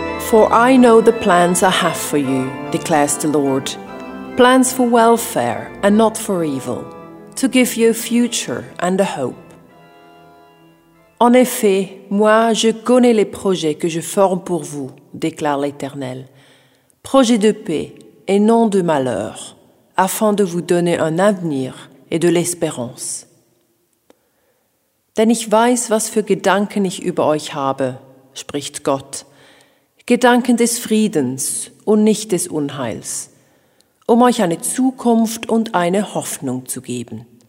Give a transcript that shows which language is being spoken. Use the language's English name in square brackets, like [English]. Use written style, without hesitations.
[English] "For I know the plans I have for you," declares the Lord. "Plans for welfare and not for evil, to give you a future and a hope. [French] En effet, moi, je connais les projets que je forme pour vous," déclare l'Éternel. "Projets de paix et non de malheur, afin de vous donner un avenir et de l'espérance. [German] Denn ich weiß, was für Gedanken ich über euch habe," spricht Gott. "Gedanken des Friedens und nicht des Unheils, um euch eine Zukunft und eine Hoffnung zu geben."